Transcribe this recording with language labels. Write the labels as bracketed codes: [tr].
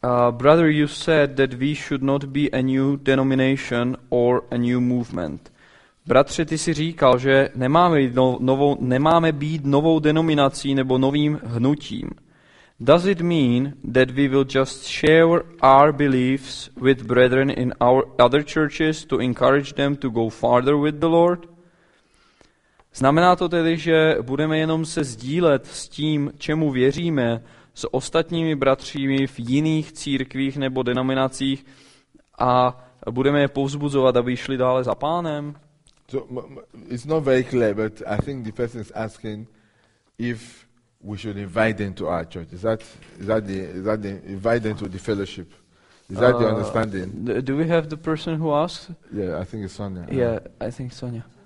[en] Brother, you said that we should not be a new denomination or a new movement. [cs] Bratře, ty si říkal, že nemáme být novou denominací nebo novým hnutím. [en] Does it mean that we will just share our beliefs with brethren in our other churches to encourage them to go farther with the Lord? [cs] Znamená to tedy, že budeme jenom se sdílet s tím, čemu věříme, s ostatními bratřími v jiných církvích nebo denominacích a budeme je povzbuzovat, aby šli dále za Pánem. [en] So, it's not very clear, but I think the person is asking if we should invite them to our church. Is that the invite them to the fellowship? Is that the understanding? Do we have the person who asked? Yeah, I think it's Sonia. Yeah, I think Sonia.